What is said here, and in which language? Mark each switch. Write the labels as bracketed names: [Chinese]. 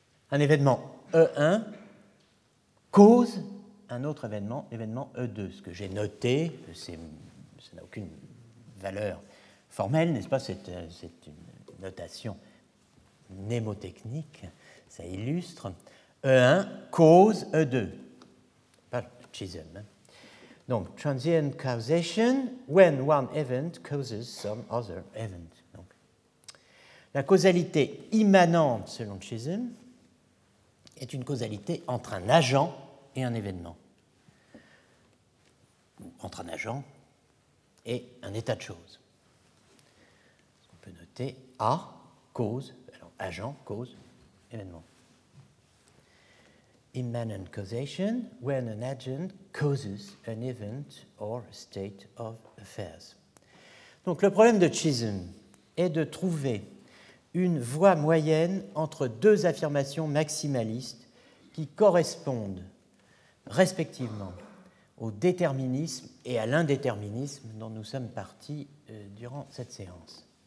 [French] Un événement E1 cause un autre événement, l'événement E2. Ce que j'ai noté, ça n'a aucune valeur formelle, n'est-ce pas ? C'est une notation mnémotechnique, ça illustre. E1 cause E2, par Chisholm. [English] Donc, transient causation, when one event causes some other event. [French] Donc, la causalité immanente, selon Chisholm, est une causalité entre un agent et un événement. Entre un agent et un état de choses. On peut noter A cause, alors agent cause événement. [English] Immanent causation, when an agent causes an event or state of affairs. [French] Donc le problème de Chisholm est de trouver une voie moyenne entre deux affirmations maximalistes qui correspondent respectivement au déterminisme et à l'indéterminisme dont nous sommes partis durant cette séance.